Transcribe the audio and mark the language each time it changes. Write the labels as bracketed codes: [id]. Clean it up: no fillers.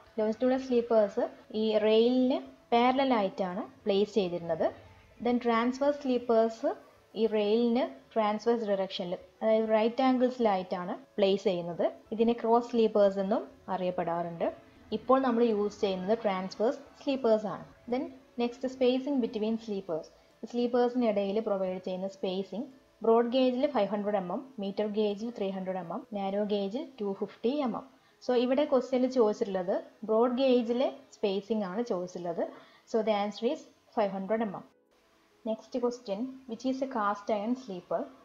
[ml] Longitudinal sleepers ഈ rail-ന് parallel ആയിട്ടാണ് place ചെയ്തിരുന്നത്. Then transverse sleepers ഈ rail-ന് transverse direction-ൽ അതായത് right angles ആയിട്ടാണ് place ചെയ്യുന്നത്. ഇതിനെ cross sleepers എന്നും അറിയപ്പെടാറുണ്ട്. ഇപ്പോൾ നമ്മൾ യൂസ് ചെയ്യുന്നത് transverse sleepers ആണ്. [en] Then next spacing between sleepers. [ml] സ്ലീപ്പേഴ്സിന് ഇടയിൽ പ്രൊവൈഡ് ചെയ്യുന്ന spacing broad ഗേജിൽ 500 mm, metre ഗേജിൽ 300 mm, narrow ഗേജിൽ 250 mm. So ഇവിടെ ക്വസ്റ്റ്യനിൽ ചോദിച്ചിട്ടുള്ളത് ബ്രോഡ് ഗേജിലെ സ്പേസിംഗ് ആണ് ചോദിച്ചിട്ടുള്ളത്. [en] So the answer is 500 mm. Next question, which is a cast iron sleeper?